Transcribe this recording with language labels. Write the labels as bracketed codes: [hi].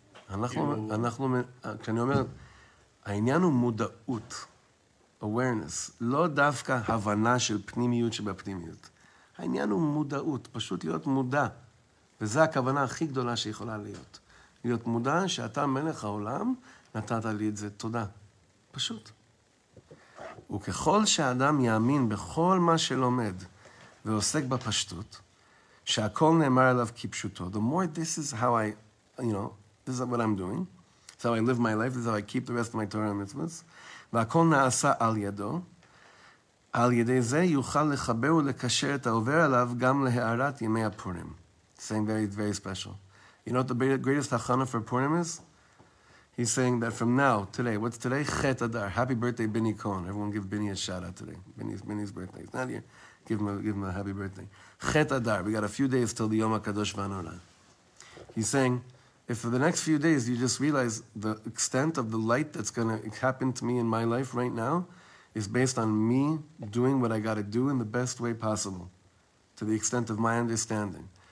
[he] אנחנו, כשאני אומר, העניין הוא מודעות, awareness, לא דווקא הבנה של פנימיות שבפנימיות. העניין הוא מודעות, פשוט להיות מודע. וזו הכוונה הכי גדולה שיכולה להיות. להיות מודע שאתה מלך העולם, נתת לי את זה, תודה. פשוט. וככל שאדם יאמין בכל מה שלומד ועוסק בפשטות, שהכל נאמר עליו כפשוטו, [en] the more this is how I, you know, this is what I'm doing. It's how I live my life. This is how I keep the rest of my Torah and mitzvahs. [he] והכל נעשה על ידו. על ידי זה יוכל לחבר ולקשר את העובר עליו גם להערת ימי הפורים. [en] Saying very, very special. You know what the greatest hachana for Purim is? He's saying that from now, today, what's today? Chet Adar. Happy birthday, Bini Kohn. Everyone give Bini a shout out today. Bini's birthday. He's not here. Give him a happy birthday. Chet Adar. We got a few days till the Yom HaKadosh Vanora. He's saying, if for the next few days you just realize the extent of the light that's going to happen to me in my life right now is based on me doing what I got to do in the best way possible to the extent of my understanding.